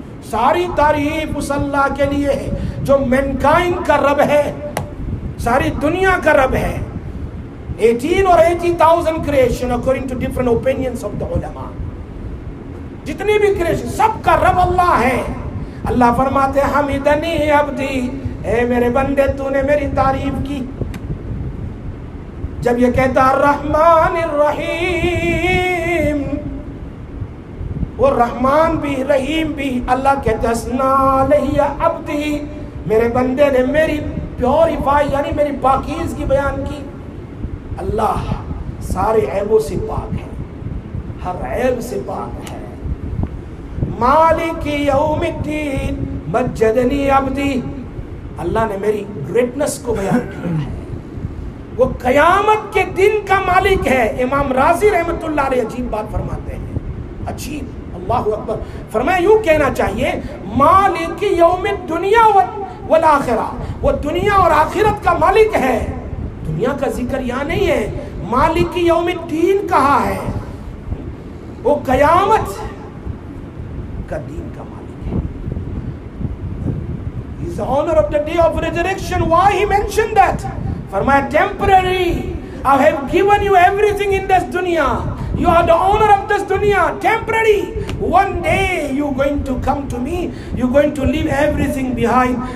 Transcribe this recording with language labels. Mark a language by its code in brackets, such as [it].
[ur] ساری تعریف اس اللہ کے لیے ہے جو مینکائن کا رب ہے, ساری دنیا کا رب ہے. [en] 18,000 creation according to different opinions of the [ur] علماء, جتنی بھی کریشن سب کا رب اللہ ہے. اللہ فرماتے ہیں, [ar] حمیدنی عبدی, [ur] اے میرے بندے تو نے میری تعریف کی. جب یہ کہتا رحمان الرحیم, وہ رحمان بھی رحیم بھی, اللہ کہتا [ar] اسنا لہی عبدی, [ur] میرے بندے نے میری پیوریفائی یعنی میری پاکیزگی کی بیان کی. اللہ سارے عیبوں سے پاک ہے, ہر عیب سے پاک ہے. [ar] مالک یوم الدین, مجدنی عبدی, [ur] اللہ نے میری گریٹنس کو بیان کیا. وہ قیامت کے دن کا مالک ہے. امام رازی رحمت اللہ علیہ عجیب بات فرماتے ہیں, عجیب, اللہ اکبر. فرمایا یوں کہنا چاہیے, [ar] مالک یوم الدنیا والآخرہ, [ur] وہ دنیا اور آخرت کا مالک ہے. دنیا کا ذکر یہاں نہیں ہے, مالک یوم الدین کہا ہے. وہ قیامت کا دین کا مالک ہے. [en] He's the owner of the day of resurrection. Why he mentioned that? For my temporary, I have given you everything in this dunya. You are the owner of this dunya, temporary. One day you're going to come to me, you're going to leave everything behind.